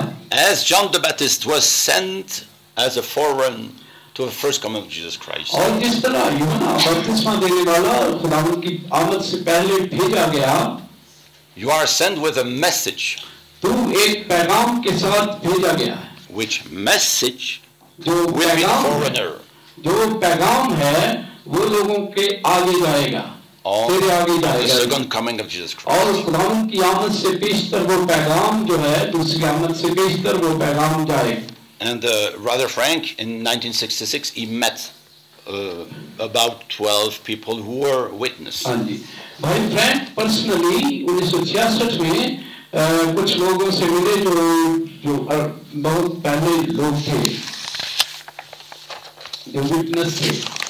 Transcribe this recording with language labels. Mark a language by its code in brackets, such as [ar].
[en] As John the Baptist was sent as a foreign to the first coming of Jesus Christ. [hi] और जिस तरह यूहन्ना बपतिस्मा देने वाला और खुदावंद की आमद से पहले भेजा गया, [en] you are sent with a message. [hi] तुम एक पैगाम के साथ भेजा गया है. [en] Which message? [hi] जो पैगाम [en] foreigner. [hi] जो पैगाम है, वो लोगों के आगे जाएगा. तेरे आगे जाएगा. [en] The second coming of Jesus Christ. [hi] और खुदावंद की आमद से पेशतर वो पैगाम जो है, दूसरी आमद से पेशतर वो पैगाम जाए. [en] And Brother Frank, in 1966, he met about 12 people who were witnesses. Brother Frank, personally, in 1966, he met some people who were very early witnesses.